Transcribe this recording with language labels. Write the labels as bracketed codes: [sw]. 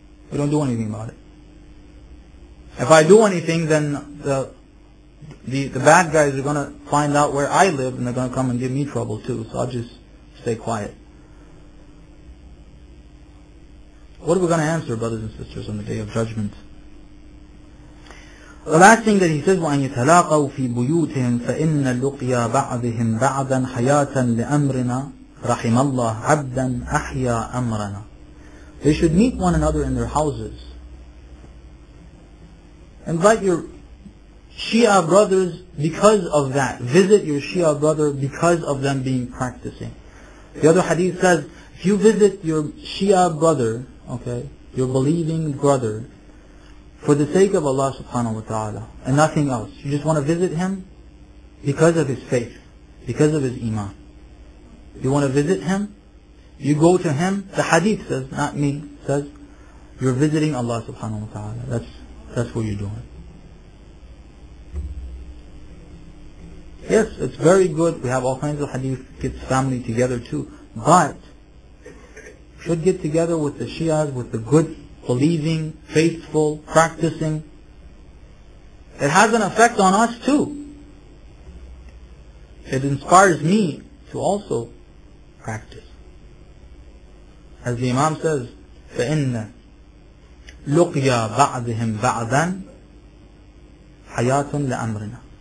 [en] We don't do anything about it. If I do anything, then the bad guys are going to find out where I live and they're going to come and give me trouble too, so I'll just stay quiet. What are we going to answer, brothers and sisters, on the Day of Judgment? The last thing that he says, [ar] وَأَنْ يَتَلَاقَوْا فِي بُيُوتِهِمْ فَإِنَّ لُقْيَا بَعْضِهِمْ بَعْضًا حَيَاةً لِأَمْرِنَا رَحِمَ اللَّهُ عَبْدًا أَحْيَا أَمْرَنَا. [en] They should meet one another in their houses. Invite your Shia brothers because of that. Visit your Shia brother because of them being practicing. The other hadith says, if you visit your Shia brother, okay, your believing brother, for the sake of Allah subhanahu wa ta'ala, and nothing else, you just want to visit him because of his faith, because of his iman. You want to visit him, you go to him, the hadith says, not me, says, you're visiting Allah subhanahu wa ta'ala. That's what you're doing. Yes, it's very good, we have all kinds of hadith, gets family together too, but should get together with the Shias, with the good, believing, faithful, practicing. It has an effect on us too. It inspires me to also practice. As the Imam says, [ar] فَإِنَّ لُقْيَا بَعْضِهِمْ بَعْضًا حَيَاتٌ لِأَمْرِنَا.